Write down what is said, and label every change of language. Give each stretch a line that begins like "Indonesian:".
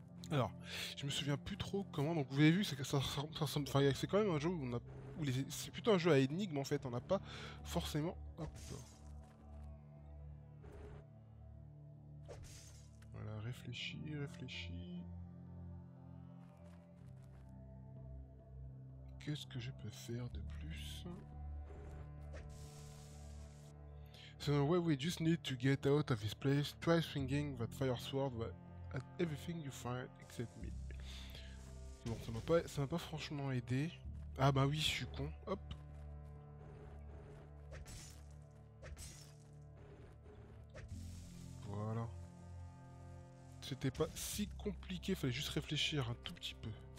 French: Alors, je me souviens plus trop comment. Donc, vous avez vu, enfin, c'est quand même un jeu où on a, où les, c'est plutôt un jeu à énigmes en fait. On n'a pas forcément. Hop. Voilà, réfléchis, réfléchis. Qu'est-ce que je peux faire de plus?
English: So,
French: ouais,
English: we just need to get out of this place. Try swinging that fire sword. At everything you find except me.
French: Bon, ça m'a pas franchement aidé. Ah bah oui, je suis con. Hop. Voilà. C'était pas si compliqué, fallait juste réfléchir un tout petit peu.